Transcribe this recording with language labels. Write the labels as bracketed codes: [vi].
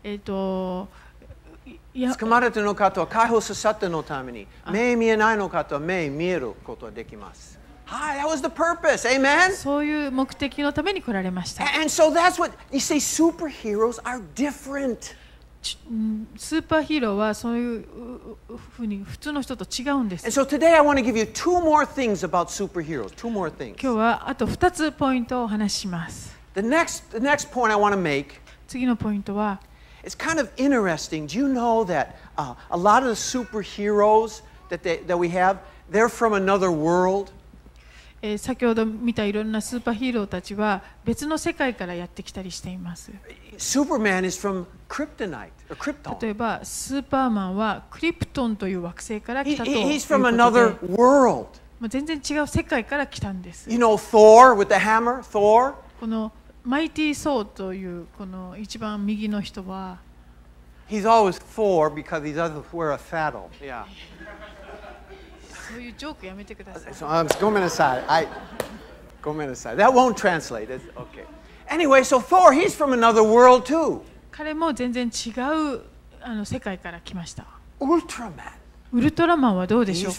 [ja] 捕まれたの方は解放させたのために、目見えないの方は目見えることができます。 [en] Hi, that was the purpose. Amen. [ja] そういう目的のために来られました。 [en] And so that's what you say. Superheroes are different. [ja] スーパーヒーローはそういうふうに普通の人と違うんです。 [en] And so today I want to give you two more things about superheroes. Two more things. [ja] 今日はあと2つポイントをお話します。 [en] The next point I want to make. [ja] 次のポイントは、 [en] It's kind of interesting. Do you know that a lot of the superheroes that we have, they're from another world? [ja] 先ほど見たいろんなスーパーヒーローたちは別の世界からやってきたりしています。 [en] Superman is from Kryptonite, or Krypton. [ja] 例えばスーパーマンはクリプトンという惑星から来たということで。 [en] He's from another world. [ja] 全然違う世界から来たんです。 [en] You know Thor with the hammer, Thor? [ja] このマイティーソーというこの一番右の人は。 [en] He's always four because he doesn't wear a saddle. Yeah. [ja] そういうジョークやめてください。 [en] So, [ja] ごめんなさい。ごめんなさい。 [en] That won't translate. It's okay. Anyway, so Thor, he's from another world too. [ja] 彼も全然違うあの世界から来ました。 [en] Ultraman. [ja] ウルトラマンはどうでしょうか。